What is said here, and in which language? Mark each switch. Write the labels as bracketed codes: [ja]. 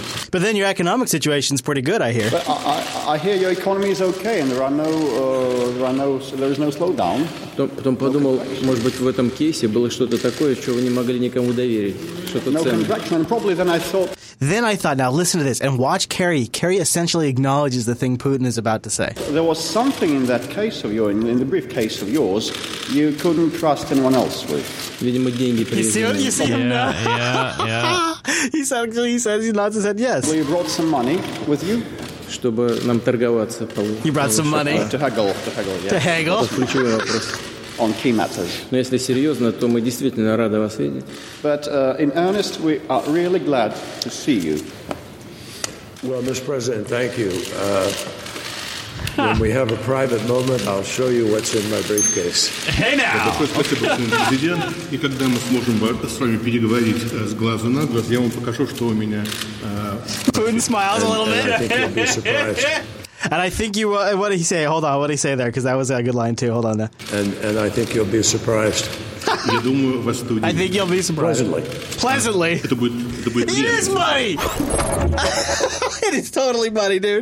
[en] But then your economic situation is pretty good, I hear. But I hear your economy is okay, and there is no slowdown. [ru] Потом подумал, может быть, в этом кейсе было что-то такое, чего вы не могли никому доверить, что-то ценное. [en] Then I thought, now listen to this, and watch Kerry. Kerry essentially acknowledges the thing Putin is about to say. There was something in that case of yours, in the briefcase of yours, you couldn't trust anyone else with. [ru] Видимо, деньги привезли. [en] You see what you see? Yeah, him now? Yeah. He says, he nods his head, yes. Well, you brought some money with you? [ru] Чтобы нам торговаться. [en] You brought some money? To haggle, yeah. To haggle? On key matters. [ru] Но если серьезно, то мы действительно рады вас видеть. [en] But in earnest, we are really glad to see you. Well, Mr. President, thank you. When we have a private moment, I'll show you what's in my briefcase. Hey now! [ru] Спасибо, президент. И когда мы сможем с вами переговорить с глазу на глаз, я вам покажу, что у меня... [en] Putin smiles a little bit. I think you'll be surprised. And I think you, what did he say? Hold on, what did he say there? Because that was a good line, too. Hold on there. And I think you'll be surprised. I think you'll be surprised. Pleasantly. It is money! It is totally money, dude.